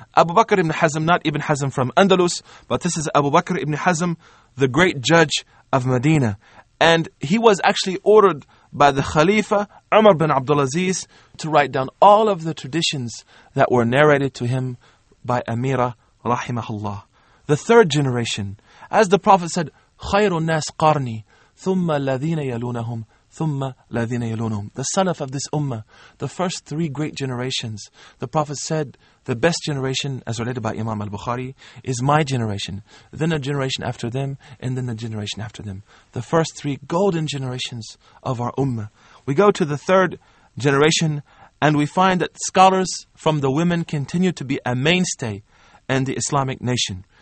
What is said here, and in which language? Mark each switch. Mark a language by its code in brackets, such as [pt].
[en] Abu Bakr ibn Hazm, not Ibn Hazm from Andalus, but this is Abu Bakr ibn Hazm, the great judge of Medina. And he was actually ordered by the Khalifa, Umar bin Abdulaziz, to write down all of the traditions that were narrated to him by Amira, rahimahullah. The third generation, as the Prophet said, [ar] خَيْرُ النَّاسِ قَرْنِي ثُمَّ الَّذِينَ يَلُونَهُمْ ثُمَّ الَّذِينَ يَلُونَهُمْ. [en] The salaf of this ummah, the first three great generations, the Prophet said, the best generation, as related by Imam al-Bukhari, is my generation, then a generation after them, and then a generation after them. The first three golden generations of our ummah. We go to the third generation, and we find that scholars from the women continue to be a mainstay in the Islamic nation.